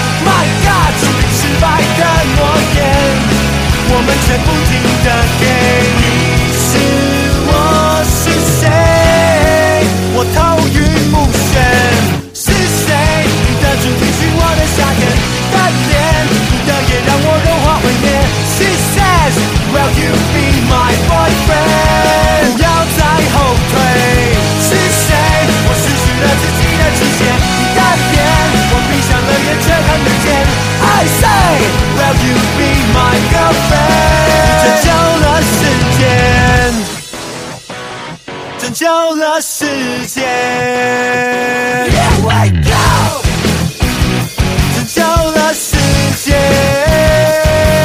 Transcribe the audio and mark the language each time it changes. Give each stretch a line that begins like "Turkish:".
English: My God，
Chinese: 注定失败的诺言，我们却不停地给。你是我是谁？我头晕目眩。是谁？你的主题曲，我的夏天，你的脸，你的眼让我融化毁灭。
English: She says, Will you be my boyfriend？
Chinese: 不要再后退。是谁？我失去了自己的极限。我闭上了眼却看得见。
English: I say, Will you be my girlfriend？
Chinese: 你拯救了时间，拯救了时间。
English: Here we go，
Chinese: 拯救了时间。